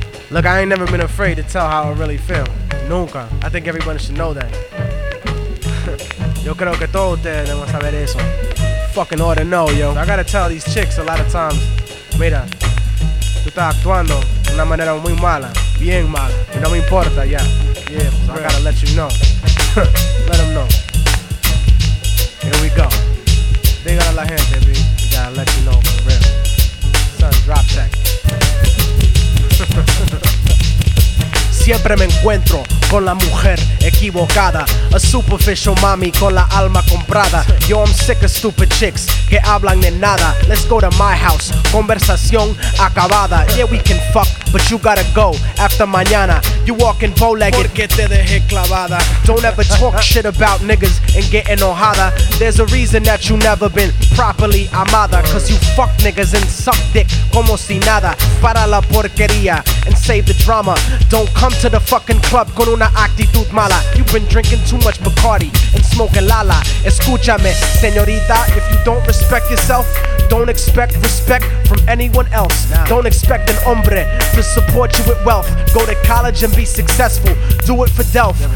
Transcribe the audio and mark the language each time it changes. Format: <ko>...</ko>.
<en>Look, I ain't never been afraid to tell how I really feel. Nunca. I think everybody should know that.</en> <es>Yo creo que todos ustedes deben saber eso.</es> <en>Fucking ought to know, yo. I gotta tell these chicks a lot of times.</en> <es>Mira, tú estás actuando de una manera muy mala. Bien mala. Y no me importa, ya.</es> <en>Yeah, so I gotta let you know. Let them know. Here we go.</en> <es>Diga a la gente,</es> <en>B. We gotta let you know for real. Son, drop check.</en> <es>Siempre me encuentro con la mujer equivocada.</es> <en>A superficial mommy</en> <es>con la alma comprada.</es> <en>Yo, I'm sick of stupid chicks</en> <es>que hablan de nada.</es> <en>Let's go to my house,</en> <es>conversación acabada.</es> <en>Yeah, we can fuck, but you gotta go after mañana. You walking bowlegged.</en> <es>Porque te dejé clavada.</es> <en>Don't ever talk shit about niggas and get enojada. There's a reason that you never been properly amada. Cause you fuck niggas and suck dick</en> <es>como si nada. Para la porquería</es> <en>and save the drama. Don't come to the fucking club</en> <es>con una actitud mala.</es> <en>You've been drinking too much Bacardi and smoking Lala.</en> <es>Escúchame, señorita,</es> <en>if you don't respect yourself, don't expect respect from anyone else. Nah. Don't expect an hombre to support you with wealth. Go to college and be successful. Do it for Delph.</en>